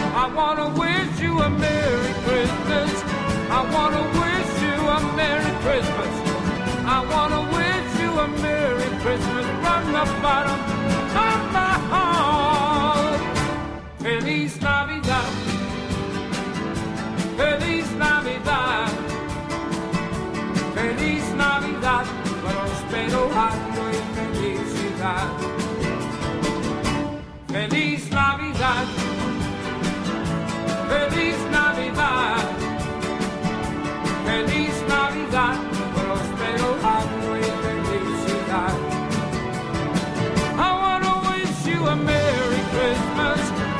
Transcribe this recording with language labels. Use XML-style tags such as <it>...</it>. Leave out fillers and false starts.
<en>I want to wish you a Merry Christmas. I want to wish you a Merry Christmas. I want to wish you a Merry Christmas from the bottom of my heart.</en> <es>Feliz Navidad. Feliz Navidad. Feliz Navidad, próspero año y felicidad. Feliz Navidad, Feliz Navidad, Feliz Navidad, próspero año y felicidad.</es> <en>I want to wish you a Merry Christmas.</en>